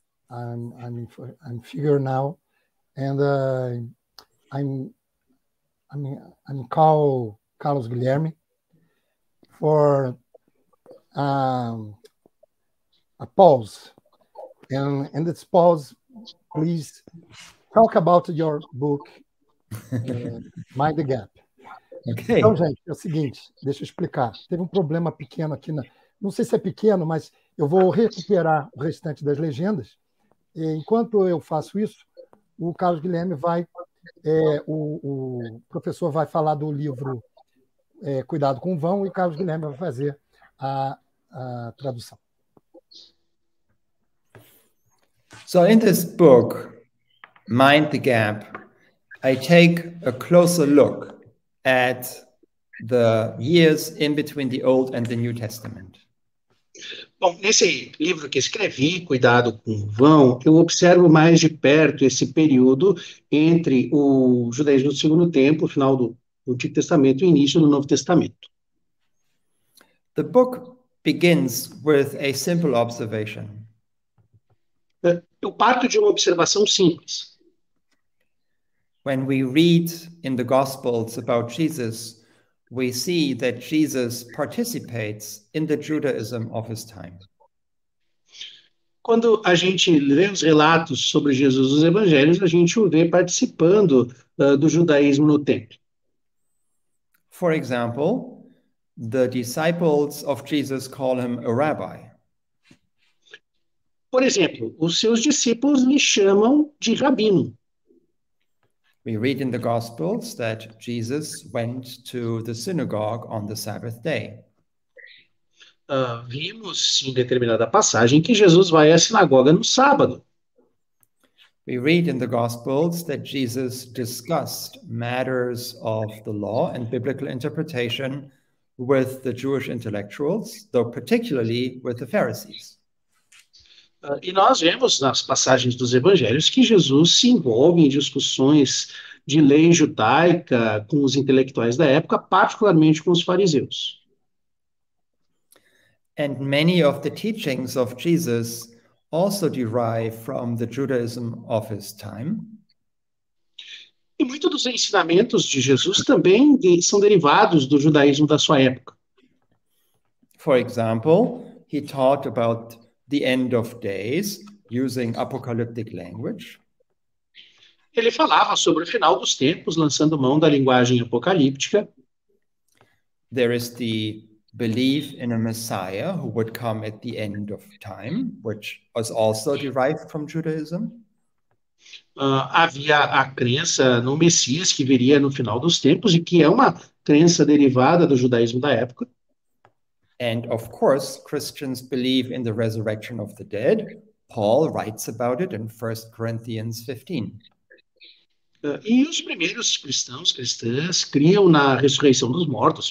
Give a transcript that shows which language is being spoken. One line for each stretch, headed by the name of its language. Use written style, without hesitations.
English: I'm figuring now, and I'm Carlos Guilherme for a pause. And in this pause, please talk about your book, Mind the Gap. Okay.
Portuguese: Então, gente, é o seguinte, deixa eu explicar. Teve um problema pequeno aqui, na... não sei se é pequeno, mas eu vou recuperar o restante das legendas. E enquanto eu faço isso, o Carlos Guilherme vai, o professor vai falar do livro Cuidado com o Vão, e o Carlos Guilherme vai fazer a tradução.
English: So in this book, Mind the Gap, I take a closer look at the years in between the Old and the New Testament.
Portuguese: Bom, nesse livro que escrevi, Cuidado com o Vão, eu observo mais de perto esse período entre o judaísmo do Segundo Templo, final do Antigo Testamento e início do Novo Testamento.
English: The book begins with a simple observation.
Portuguese: Eu parto de uma observação simples.
English: When we read in the Gospels about Jesus, we see that Jesus participates in the Judaism of his time.
Portuguese: Quando a gente lê os relatos sobre Jesus nos Evangelhos, a gente o vê participando do judaísmo no templo.
English: For example, the disciples of Jesus call him a rabbi.
Portuguese: Por exemplo, os seus discípulos lhe chamam de rabino.
English: We read in the Gospels that Jesus went to the synagogue on the Sabbath day.
Portuguese: Vimos em determinada passagem que Jesus vai à sinagoga no sábado.
English: We read in the Gospels that Jesus discussed matters of the law and biblical interpretation with the Jewish intellectuals, though particularly with the Pharisees.
Portuguese: E nós vemos nas passagens dos evangelhos que Jesus se envolve em discussões de lei judaica com os intelectuais da época, particularmente com os fariseus.
English: And many of the teachings of Jesus also derive from the Judaism of his time.
Portuguese: E muitos dos ensinamentos de Jesus também são derivados do judaísmo da sua época.
English: For example, he taught about the end of days, using apocalyptic language.
Portuguese: Ele falava sobre o final dos tempos, lançando mão da linguagem apocalíptica.
English: There is the belief in a Messiah who would come at the end of time, which was also derived from Judaism.
Portuguese: Havia a crença no Messias que viria no final dos tempos e que é uma crença derivada do judaísmo da época.
English: And of course, Christians believe in the resurrection of the dead. Paul writes about it in 1 Corinthians 15.
Portuguese: E os primeiros cristãs criam na ressurreição dos mortos.